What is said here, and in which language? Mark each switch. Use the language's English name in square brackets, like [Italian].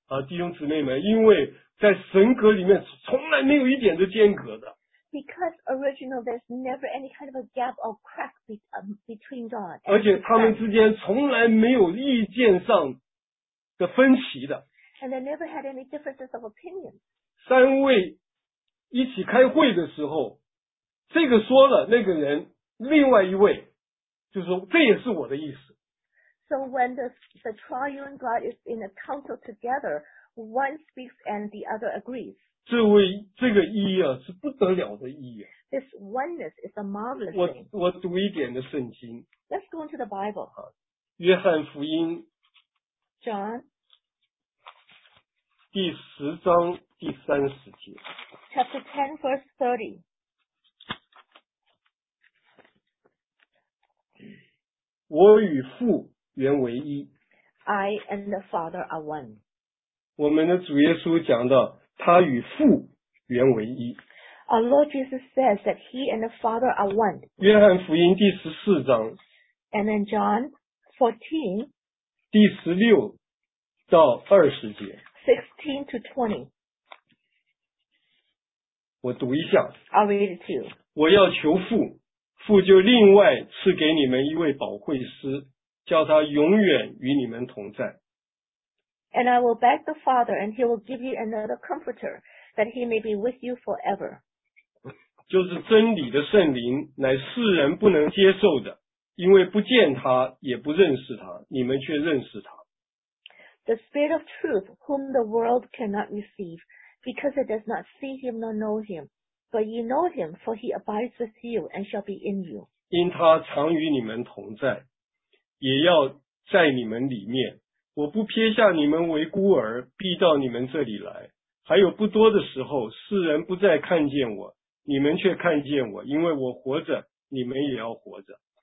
[Chinese] 啊，弟兄姊妹们，因为在神格里面从来没有一点的间隔的。 [English] Because original, there's never any kind of a gap or crack between God. [Chinese] 而且他们之间从来没有意见上的分歧的。 [English] And they never had any differences of opinion. [Chinese] 三位一起开会的时候，这个说了，那个人。另外一位就是说这也是我的意思。 [English] So when the triune God is in a council together, one speaks and the other agrees. [Chinese] 这个一啊是不得了的一啊。 [English] This oneness is a marvelous thing. [Chinese] 我读一点的圣经。 [English] Let's go into the Bible. [Chinese] 约翰福音。 [English] John. [Chinese] 第十章第三十节。 [English] Chapter 10, verse 30. [Chinese] 我与父原为一。 [English] I and the Father are one. [Chinese] 我们的主耶稣讲到他与父原为一。 [English] Our Lord Jesus says that he and the Father are one. [Chinese] 约翰福音第十四章。 [English] And then John 14. [Chinese] 第十六到二十节。 [English] 16 to 20. [Chinese] 我读一下。 [English] I'll read it to you. [Chinese] 我要求父。父就另外赐给你们一位保惠师，叫他永远与你们同在。 [English] And I will beg the Father, and he will give you another comforter, that he may be with you forever. [Chinese] 就是真理的圣灵，乃世人不能接受的，因为不见他，也不认识他，你们却认识他。 [English] The Spirit of Truth, whom the world cannot receive, because it does not see him nor know him. But you know him, for he abides with you and shall be in you. [Chinese] 因他常与你们同在，也要在你们里面。我不撇下你们为孤儿，必到你们这里来。还有不多的时候，世人不再看见我，你们却看见我，因为我活着，你们也要活着。